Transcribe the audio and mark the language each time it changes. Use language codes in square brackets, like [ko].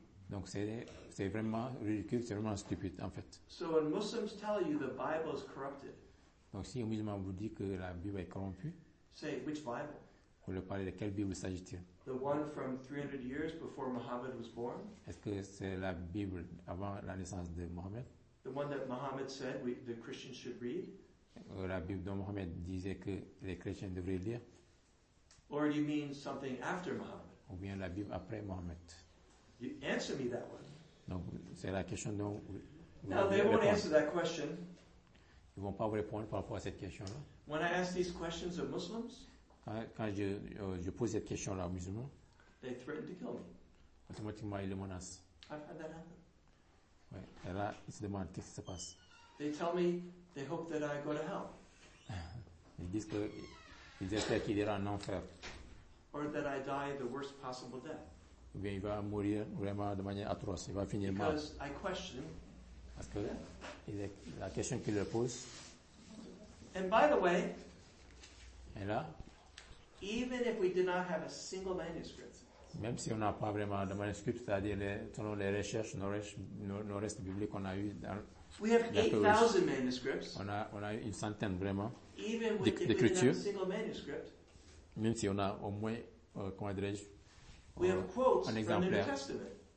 [fr] Donc c'est vraiment ridicule, c'est vraiment stupide en fait. [en] So when Muslims tell you the Bible is corrupted, [fr] donc si un musulman vous dit que la Bible est corrompue, [en] say which Bible? [fr] Vous le parlez de quelle Bible s'agit-il? [en] The one from 300 years before Muhammad was born? [fr] Est-ce que c'est la Bible avant la naissance de Mohammed? [en] The one that Muhammad said the Christians should read? [fr] La Bible dont Mohammed disait que les chrétiens devraient lire. [en] Or do you mean something after Muhammad? [fr] Ou bien la Bible après Mohammed. [en] You answer me that one. [fr] Donc c'est la question dont. [en] Now they won't answer that question. [fr] Ils vont pas vous répondre par rapport à cette question-là. [en] When I ask these questions of Muslims. [fr] Quand je pose cette question-là aux musulmans. [en] They threaten to kill me. [fr] Automatiquement ils le menacent. [en] I've had that happen. [fr] Ouais. Et là ils se demandent qu'est-ce qui se passe. [en] They tell me. They hope that I go to hell. [fr] Ils disent que ils espèrent qu'il ira en enfer. [en] Or that I die the worst possible death. [fr] Ou bien il va mourir vraiment de manière atroce. Il va finir [en] because [fr] mal. [en] Because I question. [fr] Parce que la question qu'il leur pose. [en] And by the way. [fr] Et là. [en] Even if we did not have a single manuscript. [fr] Même si on n'a pas vraiment de manuscrit, c'est-à-dire selon les recherches, nos restes bibliques qu'on a eu dans. [en] We have 8,000 manuscripts. [fr] On a une centaine vraiment. [en] Even with [fr] d'écriture, [en] a single manuscript. [fr] Même si on a au moins comment dirais-je, [en] we have quotes from the New Testament.